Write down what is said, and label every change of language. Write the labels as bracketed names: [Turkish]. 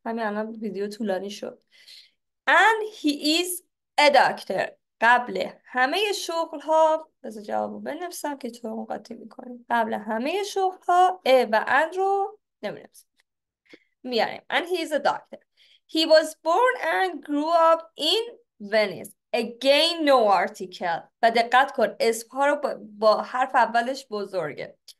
[Persian] همین الان ویدیو طولانی شد. [English] and he is a doctor. [Persian] قبل همه شغل ها، بذار جواب رو بنویسم که تو قاطی میکنی، قبل همه شغل ها ا و ان رو نمینویسم، میاریم. [English] and he is a doctor. he was born and grew up in Venice. again no article. و دقت کن اسم ها رو با حرف اولش بزرگه.